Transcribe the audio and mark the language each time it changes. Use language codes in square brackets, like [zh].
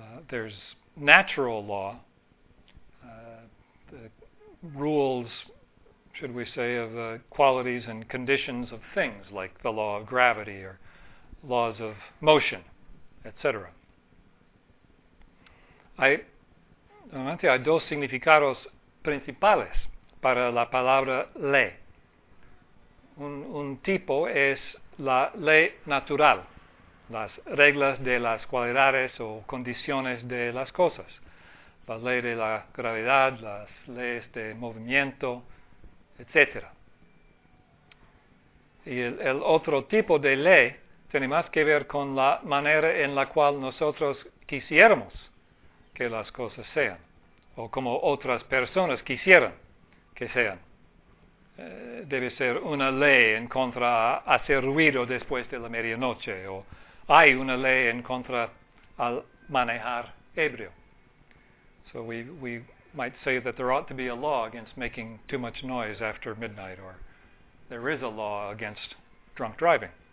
[en] There's natural law, the rules, should we say, of the qualities and conditions of things, like the law of gravity or laws of motion, etc. [es] Hay, normalmente, hay dos significados principales para la palabra ley. Un tipo es la ley natural, las reglas de las cualidades o condiciones de las cosas. La ley de la gravedad, las leyes de movimiento, etc. Y el otro tipo de ley tiene más que ver con la manera en la cual nosotros quisiéramos que las cosas sean, o como otras personas quisieran que sean. Debe ser una ley en contra de hacer ruido después de la medianoche, o hay una ley en contra al manejar ebrio. [en] So we might say that there ought to be a law against making too much noise after midnight, or there is a law against drunk driving.